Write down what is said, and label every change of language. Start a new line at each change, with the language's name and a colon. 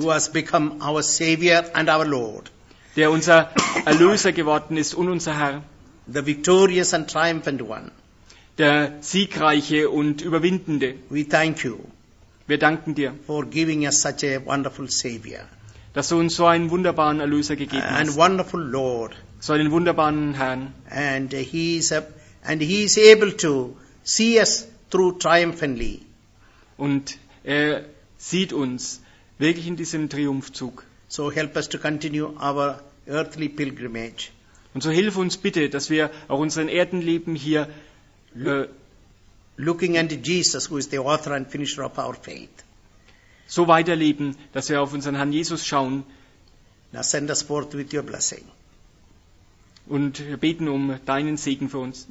English: Who has become our Savior and our Lord.
German: Der unser Erlöser geworden ist und unser Herr.
English: The victorious and triumphant one.
German: der Siegreiche und Überwindende.
English: We thank you.
German: Wir danken dir.
English: For giving us such a wonderful Savior.
German: Dass du uns so einen wunderbaren Erlöser gegeben hast.
English: And wonderful Lord.
German: So einen wunderbaren Herrn.
English: And he is able to see us through triumphantly.
German: Und er sieht uns wirklich in diesem Triumphzug.
English: So help us to continue our earthly pilgrimage.
German: Und so hilf uns bitte, dass wir auch unseren Erdenleben hier
English: looking unto Jesus, who is the author and finisher of our faith.
German: So weiterleben, dass wir auf unseren Herrn Jesus schauen.
English: Now send us forth with your blessing.
German: Und wir beten um deinen Segen für uns.